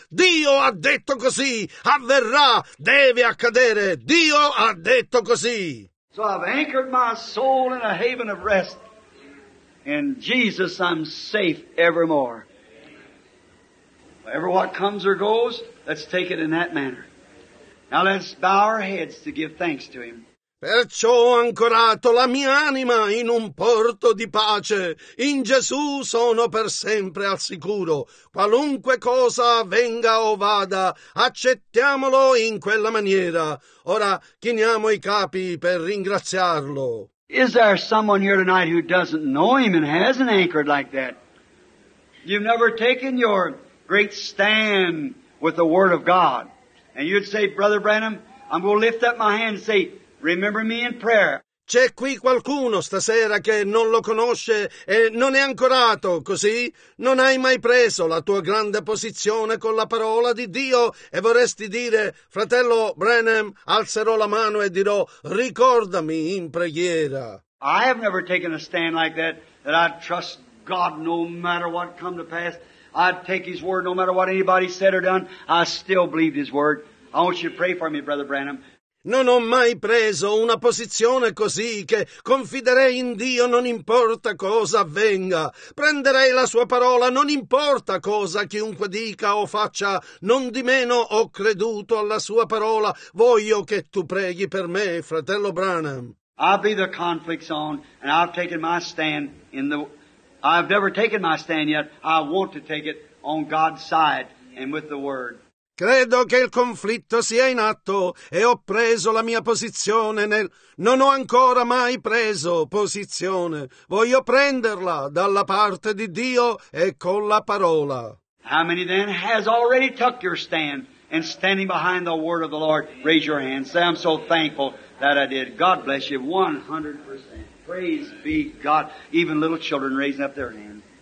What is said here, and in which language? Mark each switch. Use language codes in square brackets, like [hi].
[it] Dio ha detto così, avverrà, deve accadere, Dio ha detto così. [en] So I've anchored my soul in a haven of rest. In Jesus I'm safe evermore. Whatever what comes or goes, let's take it in that manner. Now let's bow our heads to give thanks to Him. [it] Perciò ho ancorato la mia anima in un porto di pace. In Gesù sono per sempre al sicuro. Qualunque cosa venga o vada, accettiamolo in quella maniera. Ora chiniamo i capi per ringraziarlo. [en] Is there someone here tonight who doesn't know Him and hasn't anchored like that? You've never taken your great stand with the Word of God. And you'd say, Brother Branham, I'm going to lift up my hand and say, remember me in prayer. [it] C'è qui qualcuno stasera che non lo conosce e non è ancorato così? Non hai mai preso la tua grande posizione con la parola di Dio e vorresti dire, fratello Branham, alzerò la mano e dirò, ricordami in preghiera. [en] I have never taken a stand like that, that I trust God no matter what come to pass. I'd take His word no matter what anybody said or done. I still believe His word. I want you to pray for me, Brother Branham. [it] Non ho mai preso una posizione così che confiderei in Dio non importa cosa avvenga. Prenderei la sua parola non importa cosa chiunque dica o faccia. Non di meno ho creduto alla sua parola. Voglio che tu preghi per me, fratello Branham. [en] I'll be the conflict zone and I've taken my stand in the... I've never taken my stand yet. I want to take it on God's side and with the Word. [it] Credo che il conflitto sia in atto e ho preso la mia posizione nel... Non ho ancora mai preso posizione. Voglio prenderla dalla parte di Dio e con la parola. [en] How many then has already took your stand and standing behind the word of the Lord? Raise your hand. Say, I'm so thankful that I did. God bless you 100%. Praise be God. Even little children raising up their hand.